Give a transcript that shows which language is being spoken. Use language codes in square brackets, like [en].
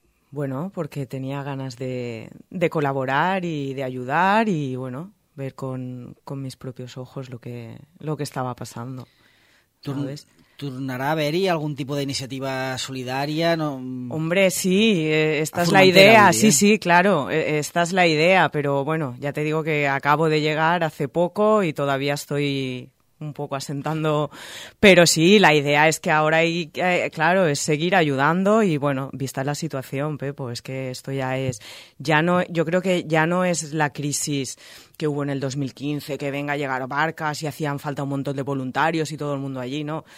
[es] Bueno, porque tenía ganas de colaborar y de ayudar y, bueno, ver con mis propios ojos lo que estaba pasando. ¿Sabes? [ca] ¿Tornará a haver-hi algun tipus d'iniciativa solidària? [es] No... Hombre, sí, esta es la idea, sí, sí, claro, esta es la idea, pero bueno, ya te digo que acabo de llegar hace poco y todavía estoy un poco asentando, pero sí, la idea es que ahora hay, claro, es seguir ayudando y bueno, vista la situación, Pepo, es que esto ya no es la crisis que hubo en el 2015, que venga a llegar barcas y hacían falta un montón de voluntarios y todo el mundo allí, no.